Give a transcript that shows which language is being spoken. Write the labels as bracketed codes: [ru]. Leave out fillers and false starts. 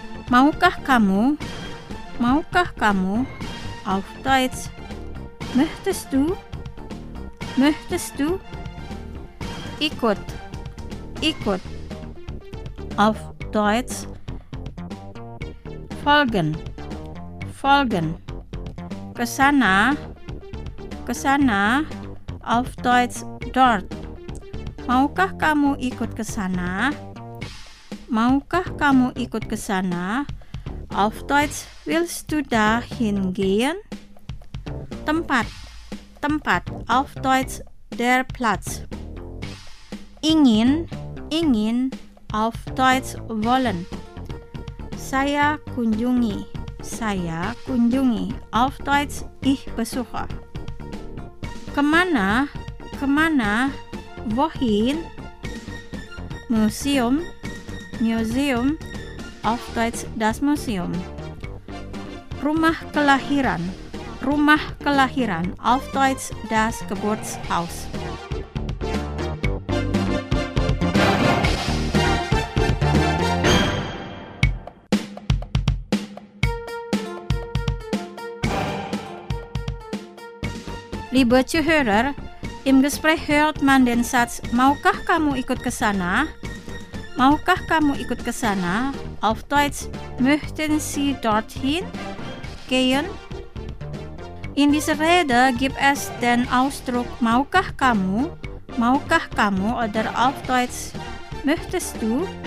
[id] Maukah kamu, [de] auf Deutsch, möchtest du, [id] ikut, ikut, [de] auf Deutsch, folgen, folgen, [id] kesana, ke sana, [de] auf Deutsch dort. [id] Maukah kamu ikut ke sana? Maukah kamu ikut ke sana? [de] Auf Deutsch willst du dahin gehen? [id] Tempat, tempat, [de] auf Deutsch der Platz. [id] Ingin, ingin, [de] auf Deutsch wollen. [id] Saya kunjungi, [de] auf Deutsch ich besuche. [id] Kemana, kemana, [de] wohin, museum, museum, auf Deutsch das Museum. [id] Rumah kelahiran, [de] auf Deutsch das Geburtshaus. Liebe Zuhörer, im Gespräch hört man den Satz [id] Maukah kamu ikut ke sana? Maukah kamu ikut ke sana? [de] Auf Deutsch Möchten Sie dorthin gehen? In dieser Rede gibt es den Ausdruck [id] Maukah kamu [de] oder auf Deutsch Möchtest du?